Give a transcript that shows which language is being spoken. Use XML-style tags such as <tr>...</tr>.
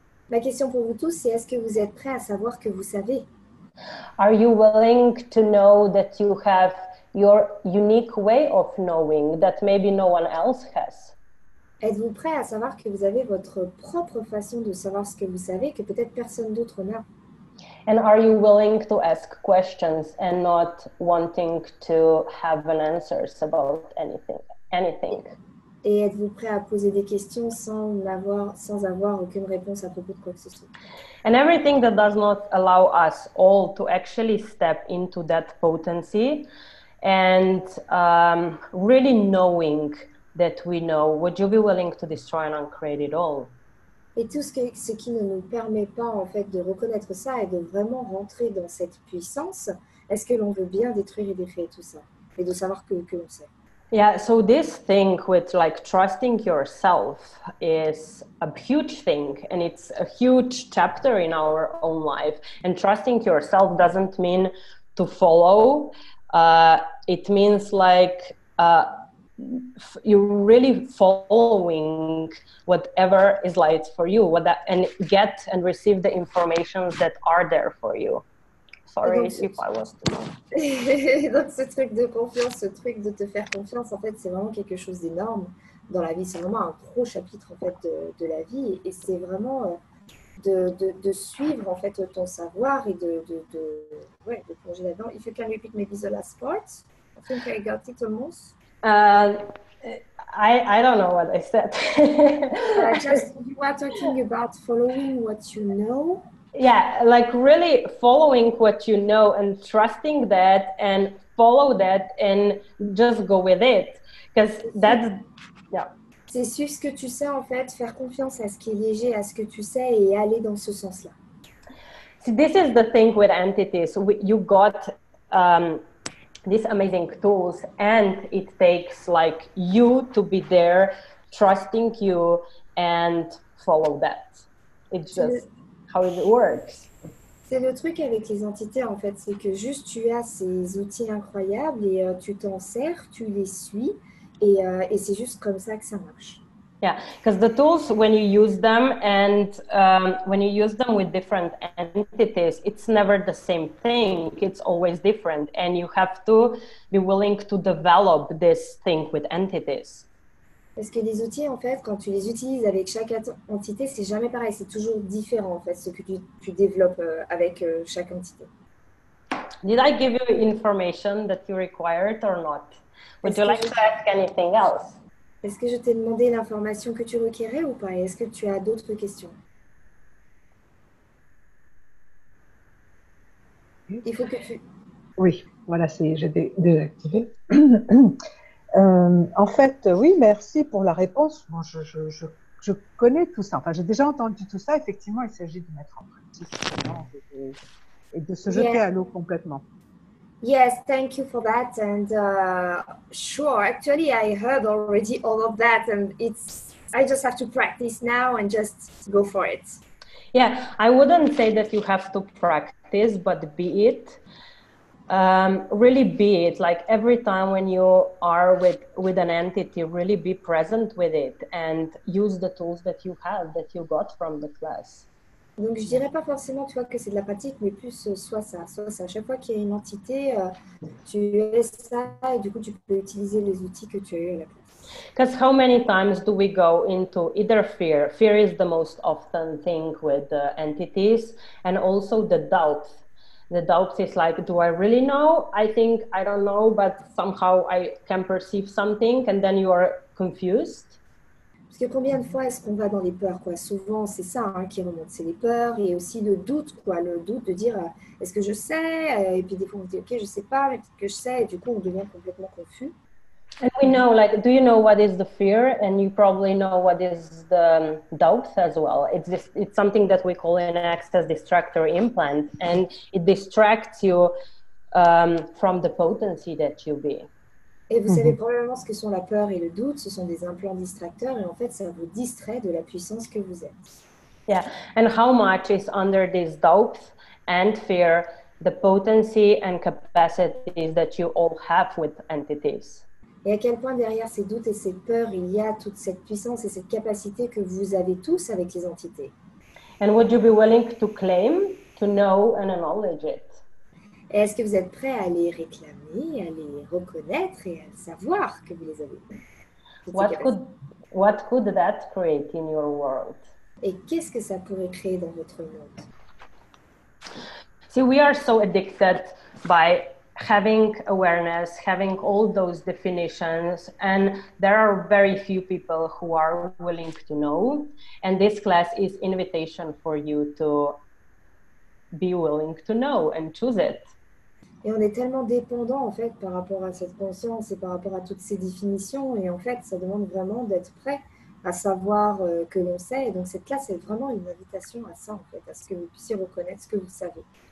<fr>Ma question pour vous tous, c'est est-ce que vous êtes prêts à savoir que vous savez?</fr> <en>Are you willing to know that you have your unique way of knowing that maybe no one else has?</en> <fr>Êtes-vous prêt à savoir que vous avez votre propre façon de savoir ce que vous savez que peut-être personne d'autre n'a?</fr> <en>And are you willing to ask questions and not wanting to have an answers about anything?</en> <fr>Et êtes-vous prêt à poser des questions sans avoir aucune réponse à propos de quoi que ce soit?</fr> <en>And everything that does not allow us all to actually step into that potency and really knowing that we know, would you be willing to destroy and uncreate it all?</en> <fr>Et tout ce qui ne nous permet pas en fait de reconnaître ça et de vraiment rentrer dans cette puissance, est-ce que l'on veut bien détruire et décréer tout ça et de savoir que l'on sait?</fr> <en>Yeah, so this thing with like trusting yourself is a huge thing and it's a huge chapter in our own life. And trusting yourself doesn't mean to follow. It means like you're really following whatever is light for you and get and receive the information that are there for you. Sorry if I was too long.</en> <fr>Donc ce truc de confiance, ce truc de te faire confiance, en fait, c'est vraiment quelque chose d'énorme dans la vie. C'est vraiment un gros chapitre en fait de la vie, et c'est vraiment de suivre en fait ton savoir et de ouais de plonger là-dedans.</fr> <en>If you can repeat maybe the last part, I think I got it almost. I don't know what I said. just you are talking about following what you know. Yeah, like really following what you know and trusting that and follow that and just go with it. Because that's, yeah.</en> <fr>C'est suivre ce que tu sais en fait, faire confiance à ce qui est léger, à ce que tu sais et aller dans ce sens-là.</fr> <en>See, this is the thing with entities. You got these amazing tools and it takes like you to be there, trusting you and follow that. It's just... How it works.</en> <fr>C'est le truc avec les entités en fait, c'est que juste tu as ces outils incroyables et tu t'en sers, tu les suis et c'est juste comme ça que ça marche.</fr> <en>Yeah, because the tools when you use them and when you use them with different entities, it's never the same thing. It's always different and you have to be willing to develop this thing with entities.</en> <fr>Parce que les outils, en fait, quand tu les utilises avec chaque entité, c'est jamais pareil. C'est toujours différent, en fait, ce que tu développes avec chaque entité. Did I give you information that you required or not? Would you like to ask anything else? Est-ce que je t'ai demandé l'information que tu requérais ou pas? Est-ce que tu as d'autres questions? Il faut que tu... Oui, voilà, c'est... j'ai désactivé. En fait, oui, merci pour la réponse. Bon, je connais tout ça. Enfin, j'ai déjà entendu tout ça. Effectivement, il s'agit de mettre en pratique et de se jeter à l'eau complètement.</fr> <en>Yes, thank you for that. And sure, actually, I heard already all of that. And I just have to practice now and just go for it. Yeah, I wouldn't say that you have to practice, but be it. Really be it, like every time when you are with an entity, really be present with it and use the tools that you have, that you got from the class.</en> <fr>Donc je dirais pas forcément tu vois que c'est de la pratique, mais plus soit ça. Chaque fois qu'il y a une entité, tu es ça et du coup tu peux utiliser les outils que tu as eu à la place.</fr> <en>Because how many times do we go into either fear? Fear is the most often thing with the entities, and also the doubt. The doubt is like, do I really know? I think I don't know, but somehow I can perceive something, and then you are confused.</en> <fr>Parce que combien de fois est-ce qu'on va dans les peurs, quoi? Souvent, c'est ça hein, qui remonte, c'est les peurs, et aussi le doute, quoi. Le doute de dire, est-ce que je sais? Et puis des fois, on dit, ok, je sais pas, mais peut-être que je sais. Et du coup, on devient complètement confus.</fr> <en>And we know, like, do you know what is the fear? And you probably know what is the doubt as well. It's just, it's something that we call an access distractor implant. And it distracts you from the potency that you be.</en> <fr>Et vous savez probablement ce que sont la peur et le doute. Ce sont des implants distracteurs. Et en fait, ça vous distrait de la puissance que vous êtes.</fr> <en>Yeah. And how much is under this doubt and fear the potency and capacities that you all have with entities?</en> <fr>Et à quel point derrière ces doutes et ces peurs, il y a toute cette puissance et cette capacité que vous avez tous avec les entités.</fr> <en>And would you be willing to claim, to know and acknowledge it?</en> <fr>Et est-ce que vous êtes prêt à les réclamer, à les reconnaître et à savoir que vous les avez?</fr> <en>What could that create in your world?</en> <fr>Et qu'est-ce que ça pourrait créer dans votre monde?</fr> <en>See, we are so addicted by... having awareness, having all those definitions, and there are very few people who are willing to know. And this class is invitation for you to be willing to know and choose it.</en> <fr>Et on est tellement dépendant en fait par rapport à cette conscience et par rapport à toutes ces définitions. Et en fait, ça demande vraiment d'être prêt à savoir que l'on sait. Et donc cette classe est vraiment une invitation à ça en fait, à ce que vous puissiez reconnaître ce que vous savez.</fr>